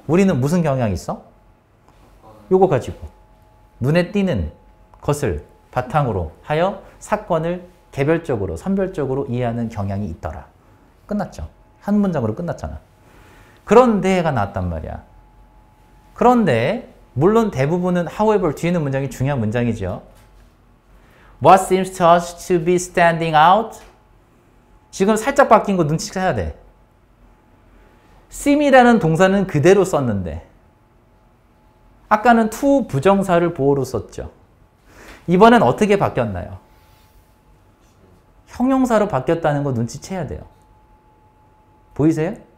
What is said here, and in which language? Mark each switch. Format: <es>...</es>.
<ko>우리는 무슨 경향이 있어? 요거 가지고 눈에 띄는 것을 바탕으로 하여 사건을 개별적으로, 선별적으로 이해하는 경향이 있더라. 끝났죠. 한 문장으로 끝났잖아. 그런데가 나왔단 말이야. 그런데 물론 대부분은 however 뒤에 있는 문장이 중요한 문장이죠.</ko> <en>What seems to us to be standing out?</en> <ko>지금 살짝 바뀐 거 눈치채야 돼. seem이라는 동사는 그대로 썼는데 아까는 to 부정사를 보호로 썼죠. 이번엔 어떻게 바뀌었나요? 형용사로 바뀌었다는 거 눈치채야 돼요. 보이세요?</ko>